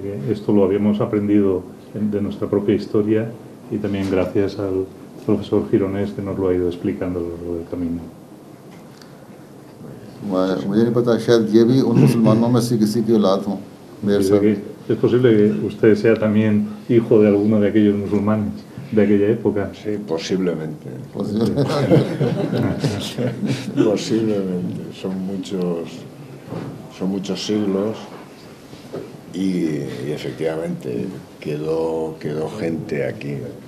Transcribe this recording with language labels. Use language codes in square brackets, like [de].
[es] esto lo habíamos aprendido de nuestra propia historia y también gracias al profesor Girones que nos lo ha ido explicando a lo largo del camino [ur] مجھے نہیں پتا شاید یہ بھی ان مسلمانوں میں سے کسی کی اولاد ہوں میرے ساتھ [es] es posible que usted sea también hijo de alguno de aquellos musulmanes de aquella época sí posiblemente posiblemente son muchos siglos y efectivamente quedó gente aquí